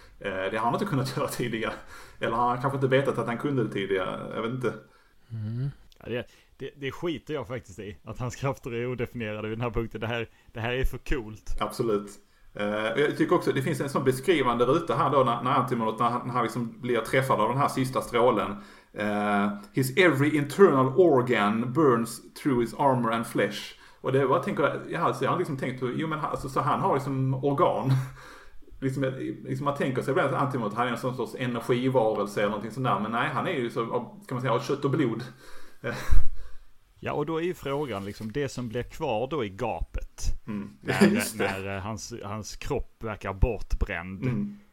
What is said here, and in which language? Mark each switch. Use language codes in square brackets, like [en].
[sv] Det har han inte kunnat göra tidigare. Eller har han kanske inte vetat att han kunde det tidigare? Jag vet inte. Ja, det skiter jag faktiskt i, att hans krafter är odefinierade vid den här punkten. Det här är för coolt. Absolut. Jag tycker också, det finns en sån beskrivande ruta här då, när antimonot, när han liksom blir träffad av den här sista strålen. [en] His every internal organ burns through his armor and flesh. [sv] Och det var, tänker jag, alltså, jag har liksom tänkt på, jo men alltså, så han har liksom organ. liksom man tänker sig att antimonot, han är en sån sorts energivarelse eller någonting sådär, men nej, han är ju så, kan man säga, av kött och blod. Ja, och då är ju frågan liksom, det som blir kvar då i gapet när hans kropp verkar bortbränd.